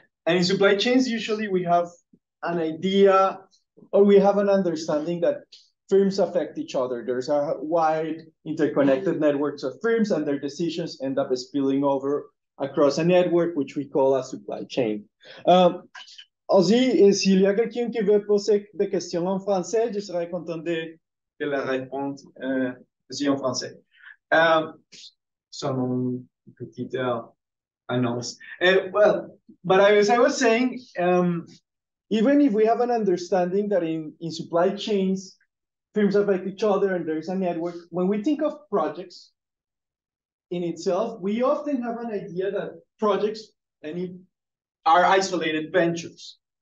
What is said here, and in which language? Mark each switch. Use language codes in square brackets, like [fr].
[en] And in supply chains, usually we have an idea or we have an understanding that firms affect each other. There's a wide interconnected networks of firms and their decisions end up spilling over across a network, which we call a supply chain. [fr] Aussi, et s'il y a quelqu'un qui veut poser des questions en français, je serais content de que la réponse soit en français. [en] Some [fr] petite annonce. [en] Well, but as I was saying, even if we have an understanding that in supply chains, firms affect each other and there's a network, when we think of projects in itself, we often have an idea that projects are isolated ventures.